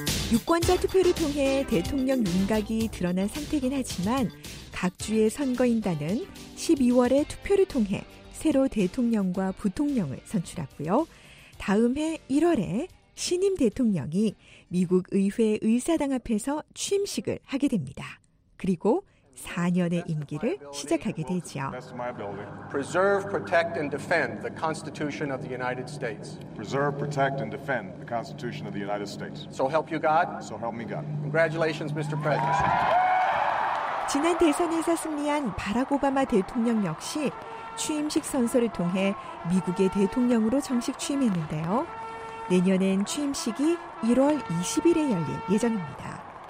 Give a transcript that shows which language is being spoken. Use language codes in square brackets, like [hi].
[ko] 유권자 투표를 통해 대통령 윤곽이 드러난 상태이긴 하지만 각 주의 선거인단은 12월에 투표를 통해 새로 대통령과 부통령을 선출하고요. 다음 해 1월에 신임 대통령이 미국 의회 의사당 앞에서 취임식을 하게 됩니다. 그리고 4년의 임기를 시작하게 되죠. [en] Preserve, protect, and defend the Constitution of the United States. Preserve, protect, and defend the Constitution of the United States. So help you God. So help me God. Congratulations, Mr. President. [ko] 지난 대선에서 승리한 바락 오바마 대통령 역시 취임식 선서를 통해 미국의 대통령으로 정식 취임했는데요. 내년엔 취임식이 1월 20일에 열릴 예정입니다.